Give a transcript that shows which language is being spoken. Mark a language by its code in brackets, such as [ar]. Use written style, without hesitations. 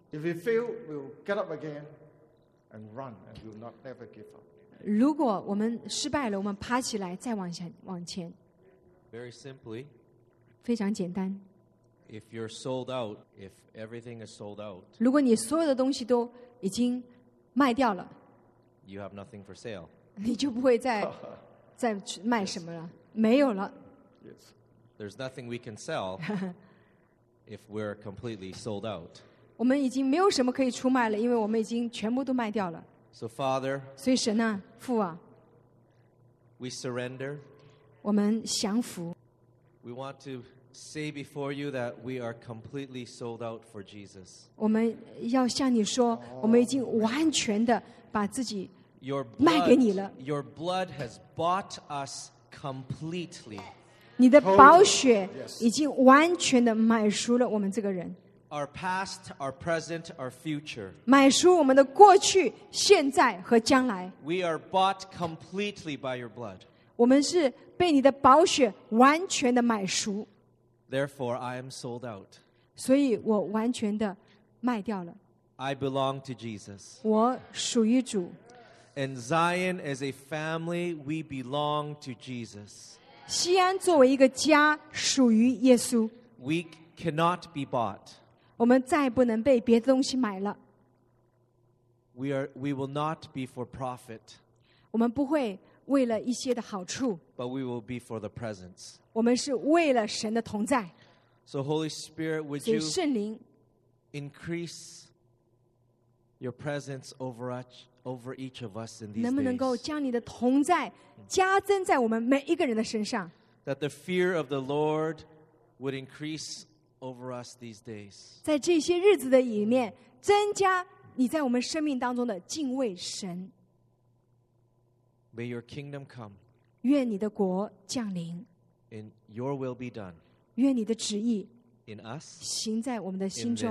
[en] If we fail, we'll get up again and run, and we'll not ever give up. [zh] 如果我们失败了，我们爬起来再往前。 [en] Very simply, [zh] 非常简单。 [en] If you're sold out, if everything is sold out, [zh] 如果你所有的东西都已经卖掉了 [en] ，you have nothing for sale. [zh] 你就不会再去卖什么了， yes. 没有了。 [en] Yes. There's nothing we can sell if we're completely sold out. [zh] 我们已经没有什么可以出卖了，因为我们已经全部都卖掉了。 [en] So Father, [zh] 所以神啊，父啊 [en] ，we surrender. [zh] 我们降服。 [en] We want to. Say before you that we are completely sold out for Jesus. [zh] 我们要向你说，我们已经完全的把自己卖给你了。 [en] Your blood has bought us completely. [zh] 你的宝血已经完全的买赎了我们这个人。 [en] Our past, our present, our future. [zh] 买赎我们的过去、现在和将来。 [en] We are bought completely by your blood. [zh] 我们是被你的宝血完全的买赎。 [en] Therefore, I am sold out. [zh] 所以我完全的卖掉了。 [en] I belong to Jesus. [zh] 我属于主。 [en] And Zion as a family, we belong to Jesus. [zh] 西安作为一个家，属于耶稣。 [en] We cannot be bought. [zh] 我们再不能被别的东西买了。 [en] We will not be for profit. [zh] 我们不会为了一些的好处。 [en] But we will be for the presence. [zh] 我们是为了神的同在。 [en] So Holy Spirit, would you increase your presence over each of us in these days? [zh] 能不能够将你的同在加增在我们每一个人的身上 [en] ？That the fear of the Lord would increase over us these days. [zh] 在这些日子的里面，增加你在我们生命当中的敬畏神。 [en] May your kingdom come. [zh] 愿你的国降临。 [en] And your will be done. [zh] 愿你的旨意 [en] in us, [zh] 行在我们的心中